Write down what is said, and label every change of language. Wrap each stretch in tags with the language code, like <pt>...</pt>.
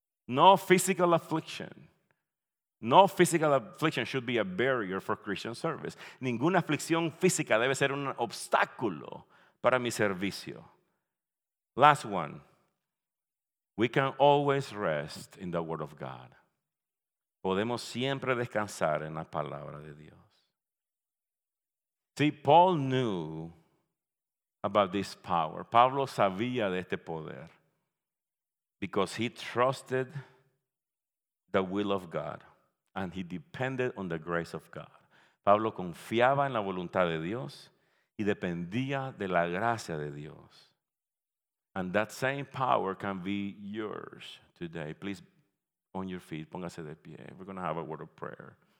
<en>No physical affliction should be a barrier for Christian service.</en> <es>Ninguna aflicción física debe ser un obstáculo para mi servicio.</es> <en>Last one. We can always rest in the Word of God.</en> <es>Podemos siempre descansar en la palabra de Dios.</es> <en>See, Paul knew about this power.</en> <es>Pablo sabía de este poder</es> <en>because he trusted the will of God. And he depended on the grace of God.</en> <es>Pablo confiaba en la voluntad de Dios y dependía de la gracia de Dios.</es> <en>And that same power can be yours today. Please, on your feet,</en> <es>póngase de pie.</es> <en>We're going to have a word of prayer.</en>